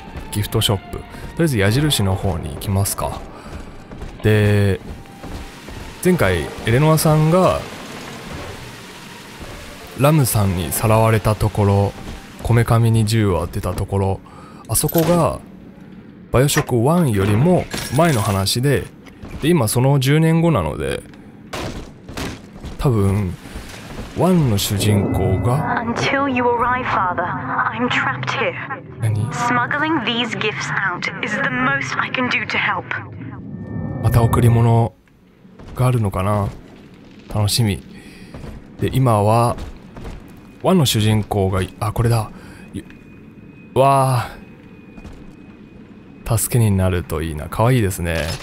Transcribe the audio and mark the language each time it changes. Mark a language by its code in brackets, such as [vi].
[ja] ギフトショップ、とりあえず矢印の方に行きますか。で、前回エレノアさんがラムさんにさらわれたところ、こめかみに銃を当てたところ、あそこがバイオショック1よりも前の話で、で、今その10年後なので、多分1の主人公が [en] Until you arrive, Father, I'm trapped here. [ja] 何？ [en] Smuggling these gifts out is the most I can do to help. [ja] また贈り物があるのかな、楽しみ。で、今は和の主人公が、あ、これだ。わあ、助けになるといいな。かわいいですね。